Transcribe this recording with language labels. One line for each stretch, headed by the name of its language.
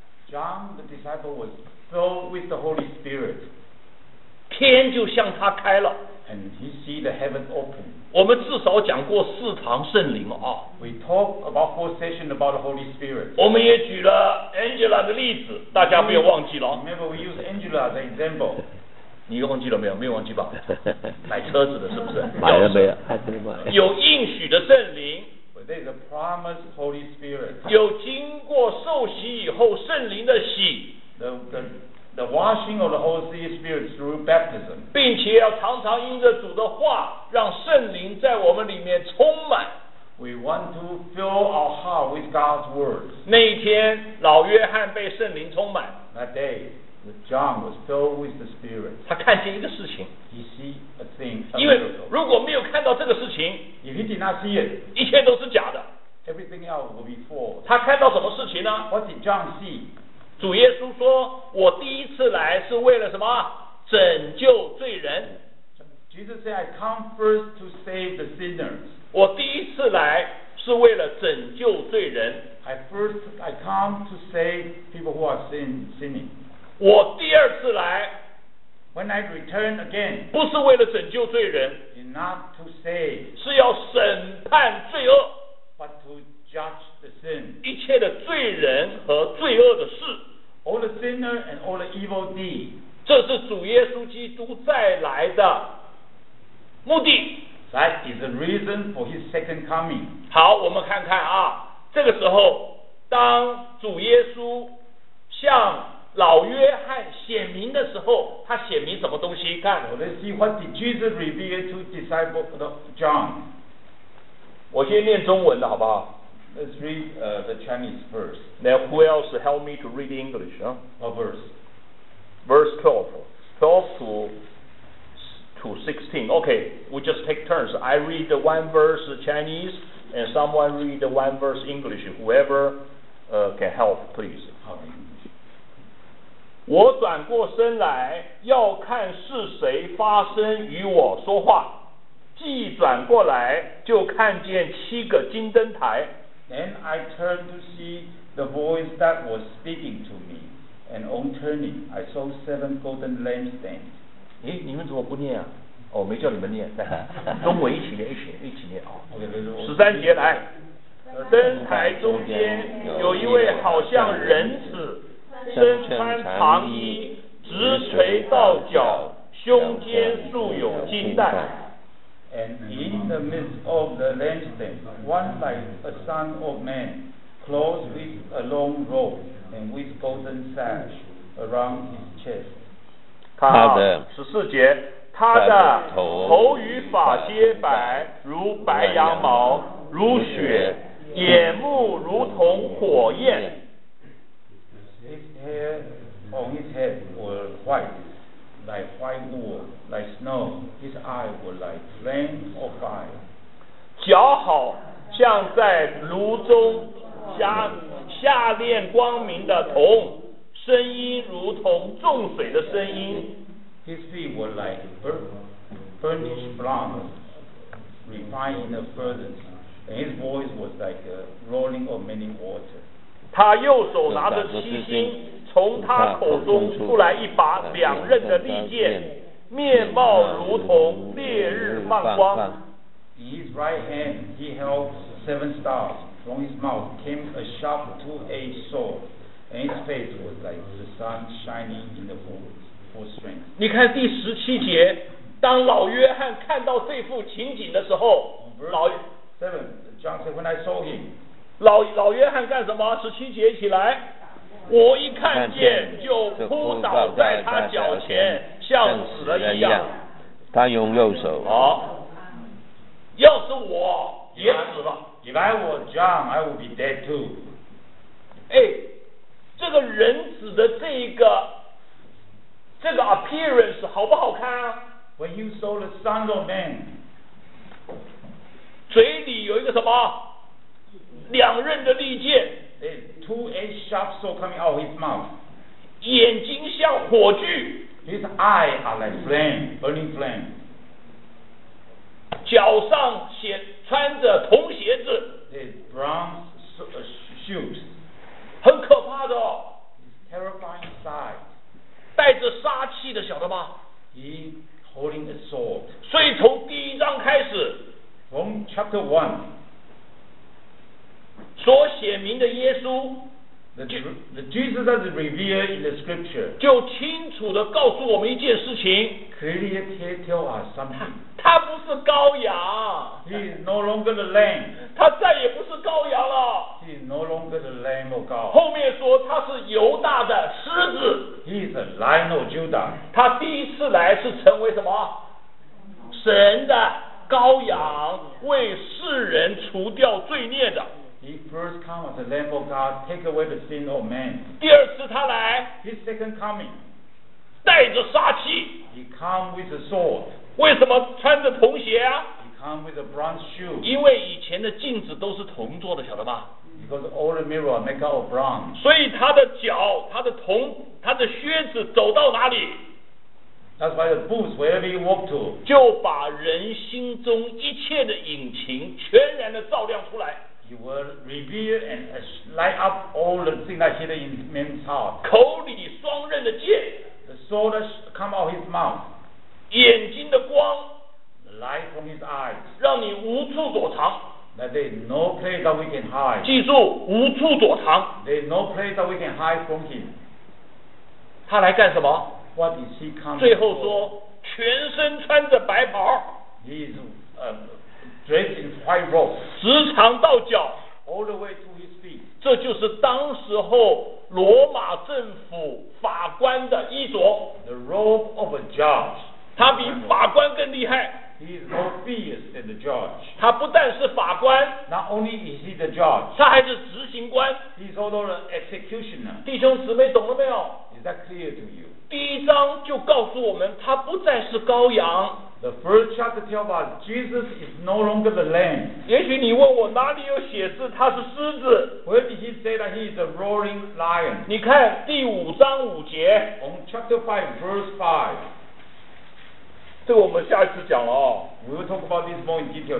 English: John the disciple was filled with the Holy Spirit.
Chinese: 天就向他开了。
English: And he see the heaven open.
Chinese: 我们至少讲过四堂圣灵啊。
English: We talk about four sessions about the Holy Spirit.
Chinese: 我们也举了 Angela 的例子，大家不要忘记了。
English: Remember we use Angela as an example.
Chinese: 你忘记了没有？没有忘记吧？买车子的是不是？买了没有？还没买。有应许的圣灵。
English: But there's a promised Holy Spirit.
Chinese: 有经过受洗以后圣灵的洗。
English: The washing of the Holy Spirit through baptism.
Chinese: 并且要常常因着主的话，让圣灵在我们里面充满。
English: We want to fill our heart with God's words.
Chinese: 那一天，老约翰被圣灵充满。
English: That day, John was filled with the Spirit.
Chinese: 他看见一个事情。
English: He see a seeing some.
Chinese: 因为如果没有看到这个事情，
English: if he did not see it,
Chinese: 一切都是假的。
English: Everything else will be false.
Chinese: 他看到什么事情呢？
English: What did John see?
Chinese: 主耶稣说，我第一次来是为了什么？拯救罪人。
English: Jesus said, I come first to save the sinners.
Chinese: 我第一次来是为了拯救罪人。
English: I come to save people who are sinning.
Chinese: 我第二次来，
English: When I return again,
Chinese: 不是为了拯救罪人，
English: not to save,
Chinese: 是要审判罪恶，
English: but to judge the sin,
Chinese: 一切的罪人和罪恶的事，
English: all the sinner and all the evil deed.
Chinese: 这是主耶稣基督再来的目的。
English: That is the reason for his second coming.
Chinese: 好，我们看看啊，这个时候，当主耶稣向老约翰显明的时候，他显明什么东西？看。
English: So let's see what did Jesus reveal to disciple John.
Chinese: 我先念中文的好不好？
English: Let's read the Chinese first. Now who else help me to read English? A verse. Verse 12. 12 to 16. Okay, we just take turns. I read the one verse Chinese, and someone read the one verse English. Whoever can help, please.
Chinese: 我转过身来，要看是谁发声与我说话。既转过来，就看见七个金灯台。
English: Then I turned to see the voice that was speaking to me, and on turning, I saw seven golden lampstands.
Chinese: 诶，你们怎么不念啊？哦，没叫你们念，中文一起念，一起念啊。十三节来，灯台中间有一位好像人子，身穿长衣，直垂到脚，胸间束有金带。
English: And in the midst of the lampstand, one like a son of man, clothed with a long robe and with golden sash around his chest.
Chinese: 他的十四节。他的头与发皆白，如白羊毛，如雪；眼目如同火焰。
English: His hair on his head were white, like white wool, like snow. His eyes were like flame of fire.
Chinese: 脚好像在炉中下炼光明的铜，声音如同重水的声音。
English: His feet were like burnished bronze, refined in a furnace, and his voice was like a rolling of many waters.
Chinese: 他右手拿着七星，从他口中出来一把两刃的利剑，面貌如同烈日漫光。
English: In his right hand, he held seven stars. From his mouth came a sharp two-edged sword, and his face was like the sun shining in the forest.
Chinese: 你看第十七节，当老约翰看到这幅情景的时候，老
English: seven John said when I saw him,
Chinese: 老约翰干什么？十七节起来，我一看见就扑倒在他脚前，像死了一样。他用右手。好，要是我也死了。
English: If I were John, I would be dead too.
Chinese: 哎，这个人死的这一个。这个 appearance 好不好看啊？
English: When you saw the son of man,
Chinese: 嘴里有一个什么？两刃的利剑。
English: There's two-edged sharp sword coming out of his mouth.
Chinese: 眼睛像火炬。
English: His eyes are like flame, burning flame.
Chinese: 脚上穿着铜鞋子。
English: There's bronze shoes.
Chinese: 很可怕的
English: 哦。Terrifying sight.
Chinese: 带着杀气的，晓得吗？
English: He holding a sword.
Chinese: 所以从第一章开始，
English: From chapter one,
Chinese: 所写明的耶稣，
English: the Jesus that is revealed in the scripture,
Chinese: 就清楚地告诉我们一件事情，
English: clearly tell us something.
Chinese: 他不是羔羊，
English: He is no longer the lamb.
Chinese: 他再也不是羔羊了。
English: He is no longer the lamb of God.
Chinese: 后面说他是犹大的狮子。
English: He is a lion of Judah.
Chinese: 他第一次来是成为什么？神的羔羊，为世人除掉罪孽的。
English: He first come as the lamb of God, take away the sin of man.
Chinese: 第二次他来，
English: His second coming,
Chinese: 带着杀气。
English: He come with a sword.
Chinese: 为什么穿着铜鞋啊？
English: Come with a bronze shoe.
Chinese: 因为以前的镜子都是铜做的，晓得吧？
English: Because all the mirror are made out of bronze.
Chinese: 所以他的脚、他的铜、他的靴子走到哪里？
English: That's why the boots wherever you walk to.
Chinese: 就把人心中一切的隐情全然的照亮出来。
English: He will reveal and light up all the things that hidden in man's heart.
Chinese: 口里双刃的剑。
English: The sword come out his mouth.
Chinese: 眼睛的光。
English: Light from his eyes,
Chinese: 让你无处躲藏。
English: That there is no place that we can hide.
Chinese: 记住，无处躲藏。
English: There is no place that we can hide from him.
Chinese: 他来干什么？
English: What is he coming for?
Chinese: 最后说，全身穿着白袍。
English: He is dressed in white robe.
Chinese: 时长到脚。
English: All the way to his feet.
Chinese: 这就是当时候罗马政府法官的衣着。
English: The robe of a judge.
Chinese: 他比法官更厉害。
English: He is more fierce than the judge.
Chinese: 他不但是法官，
English: Not only is he the judge,
Chinese: 他还是执行官。
English: He is also the executioner.
Chinese: 弟兄姊妹，懂了没有？
English: Is that clear to you?
Chinese: 第一章就告诉我们，他不再是羔羊。
English: The first chapter tells us Jesus is no longer the lamb.
Chinese: 也许你问我哪里有写字他是狮子？
English: Where did he say that he is a roaring lion?
Chinese: 你看第五章五节。
English: On chapter 5, verse 5.
Chinese: 这个我们下一次讲了哦。
English: We will talk about this more in detail.